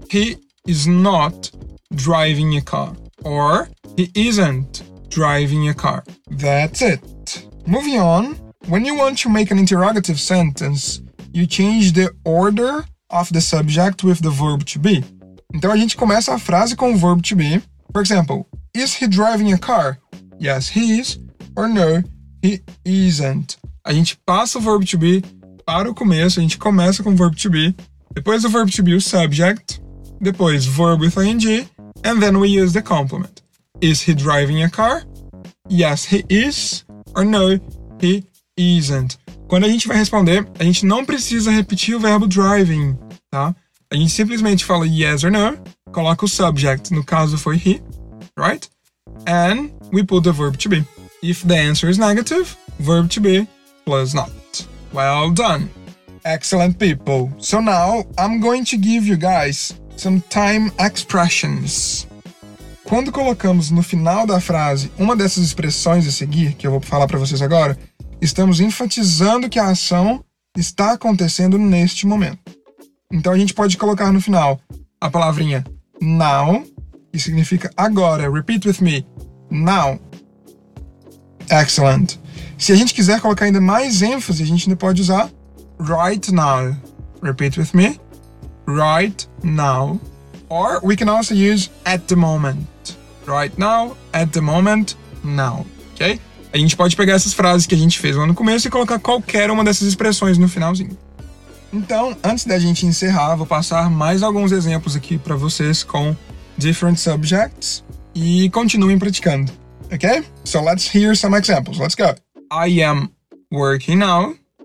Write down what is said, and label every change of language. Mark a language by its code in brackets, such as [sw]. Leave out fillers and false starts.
[en] He is not driving a car. Or he isn't driving a car. That's it. Moving on. When you want to make an interrogative sentence, you change the order of the subject with the verb to be. [pt] Então a gente começa a frase com o verb to be. [en] For example, is he driving a car? Yes, he is. Or no, he isn't. [pt] A gente passa o verb to be para o começo, a gente começa com o verb to be, depois o verb to be o subject, depois verb with ing, [en] and then we use the complement. Is he driving a car? Yes, he is. Or no, he isn't. [pt] Quando a gente vai responder, a gente não precisa repetir o verbo driving, tá? A gente simplesmente fala yes or no, coloca o subject, no caso foi he, right? [en] And we put the verb to be. If the answer is negative, verb to be plus not. Well done. Excellent people. So now, I'm going to give you guys some time expressions. [pt] Quando colocamos no final da frase uma dessas expressões a seguir, que eu vou falar para vocês agora, estamos enfatizando que a ação está acontecendo neste momento. Então a gente pode colocar no final a palavrinha now, que significa agora. [en] Repeat with me. Now. Excellent. [pt] Se a gente quiser colocar ainda mais ênfase, a gente ainda pode usar right now. [en] Repeat with me. Right now. Or we can also use at the moment. Right now, at the moment, now. Ok? [pt] A gente pode pegar essas frases que a gente fez lá no começo e colocar qualquer uma dessas expressões no finalzinho. Então, antes da gente encerrar, vou passar mais alguns exemplos aqui para vocês com different subjects e continuem praticando. [en] Ok? So let's hear some examples. Let's go. I am working now.